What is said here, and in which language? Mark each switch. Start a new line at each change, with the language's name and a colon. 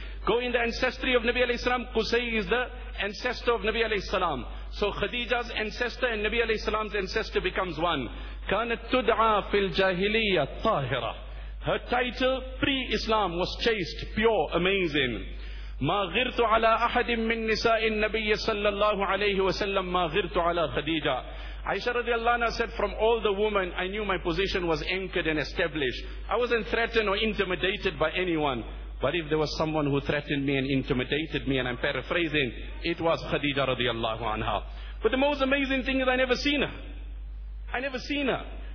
English: Go in the ancestry of Nabi عليه السلام, Qusay is the ancestor of Nabi عليه السلام. So Khadija's ancestor and Nabi عليه السلام's ancestor becomes one.
Arabic: كَانَتْ تُدْعَى فِي الْجَاهِلِيَّةِ طَاهِرَةً.
English: Her title pre-Islam was chaste, pure, amazing.
Arabic: ما غرت على أحد من نساء النبي صلى الله عليه وسلم ما غرت على خديجة.
English: Aisha radiallahu anha said, from all the women, I knew my position was anchored and established. I wasn't threatened or intimidated by anyone. But if there was someone who threatened me and intimidated me, and I'm paraphrasing, it was Khadija radiallahu anha. But the most amazing thing is I never seen her.